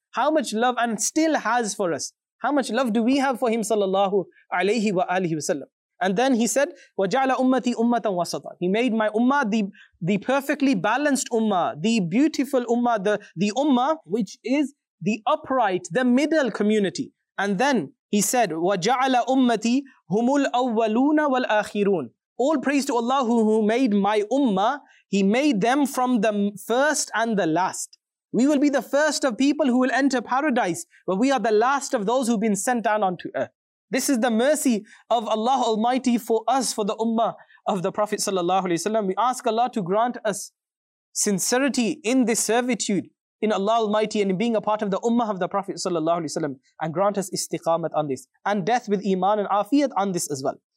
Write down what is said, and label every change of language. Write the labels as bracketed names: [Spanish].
[English] How much love and still has for us. How much love do we have for him sallallahu alayhi wa alihi wasallam? And then he said, [Arabic] وَجَعْلَ أُمَّتِي أُمَّةً وَسَطًا. [English] He made my ummah the perfectly balanced ummah, the beautiful ummah, the ummah which is the upright, the middle community. And then he said, [Arabic] وَجَعْلَ أُمَّتِي هُمُ الْأَوَّلُونَ وَالْآخِرُونَ. [English] All praise to Allah who made my ummah. He made them from the first and the last. We will be the first of people who will enter paradise, but we are the last of those who've been sent down onto earth. This is the mercy of Allah Almighty for us, for the ummah of the Prophet sallallahu alaihi wasallam. We ask Allah to grant us sincerity in this servitude in Allah Almighty and in being a part of the ummah of the Prophet sallallahu alaihi wasallam, and grant us istiqamat on this and death with iman and afiyat on this as well.